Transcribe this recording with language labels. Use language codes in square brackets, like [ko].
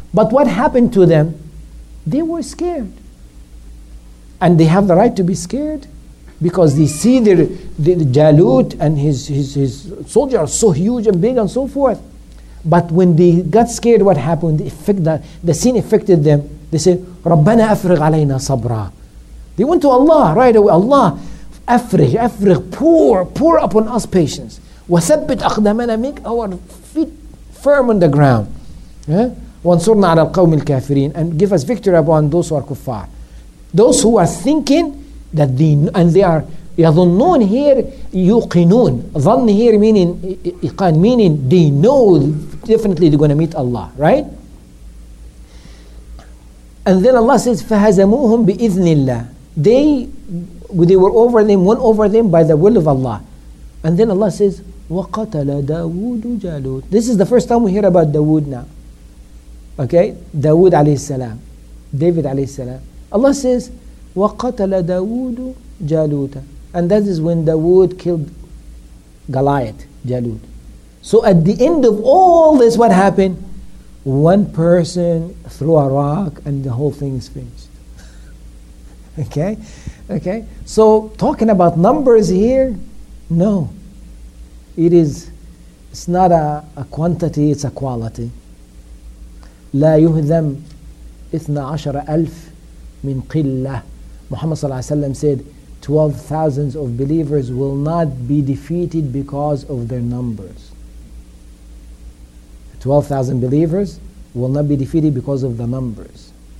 [en] But what happened to them? They were scared. And they have the right to be scared, because they see the Jalut and his soldiers are so huge and big and so forth. But when they got scared, what happened? The scene affected them. They said, [ar] رَبَّنَا أَفْرِغْ عَلَيْنَا صَبْرًا. [en] They went to Allah right away. Allah, أَفْرِغْ, pour upon us patience. [ar] وَثَبِّتْ أَقْدَمَنَا, [en] make our feet firm on the ground. [ar] وَانْصُرْنَا عَلَى الْقَوْمِ الْكَافِرِينَ, [en] and give us victory upon those who are kuffar. Those who are thinking that they, and they are يظنون here, يوقنون. ظن here meaning إيقان, meaning they know definitely they're going to meet Allah, right? And then Allah says, [ar] فَهَزَمُوهُمْ بِإِذْنِ اللَّهِ. [en] They were over them, won over them by the will of Allah. And then Allah says, [ar] وَقَتَلَ دَاوُودُ جَالُوتُ. [en] This is the first time we hear about Dawood now. Okay? Dawood alayhi salam. David alayhi salam. Allah says, [ar] وَقَتَلَ دَاوُودُ جَالُوتَ. [en] And that is when Dawood killed Goliath, Jalut. So at the end of all this, what happened? One person threw a rock and the whole thing is finished. Okay? Okay? So talking about numbers here, no. It's not a quantity, it's a quality. [ar] لا يهذم إثنى عشر ألف من قلة. [en] Muhammad صلى الله عليه وسلم said, 12,000 of believers will not be defeated because of their numbers. 12,000 believers will not be defeated because of the numbers.